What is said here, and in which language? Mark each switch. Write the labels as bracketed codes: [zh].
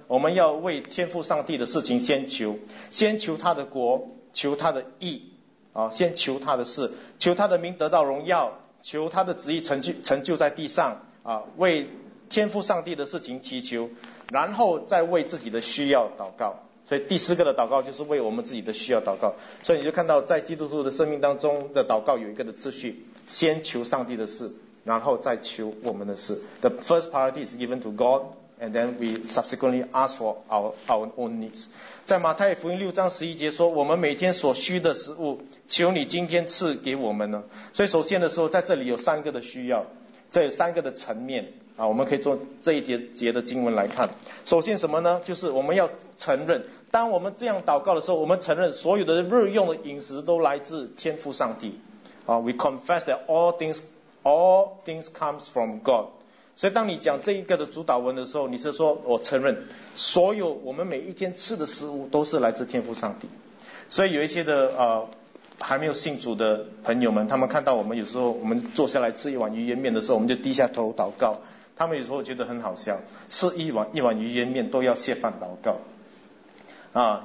[zh] 我们要为天父上帝的事情先求，先求他的国，求他的义，先求他的事，求他的名得到荣耀，求他的旨意成就在地上，为天父上帝的事情祈求，然后再为自己的需要祷告。所以第四个的祷告就是为我们自己的需要祷告。所以你就看到在基督徒的生命当中的祷告有一个的次序，先求上帝的事，然后再求我们的事。 [en] The first priority is given to God, and then we subsequently ask for our own needs. [zh] 在马太福音六章十一节说，我们每天所需的食物求你今天赐给我们呢。所以首先的时候，在这里有三个的需要，这有三个的层面啊，我们可以做这一节的经文来看。首先什么呢？就是我们要承认，当我们这样祷告的时候，我们承认所有的日用的饮食都来自天父上帝啊。 [en] We confess that all things comes from God. [zh] 所以当你讲这一个的主导文的时候，你是说我承认所有我们每一天吃的食物都是来自天父上帝。所以有一些的还没有信主的朋友们，他们看到我们有时候我们坐下来吃一碗鱼圆面的时候，我们就低下头祷告，他们有时候觉得很好笑，吃一碗鱼圆面都要谢饭祷告啊。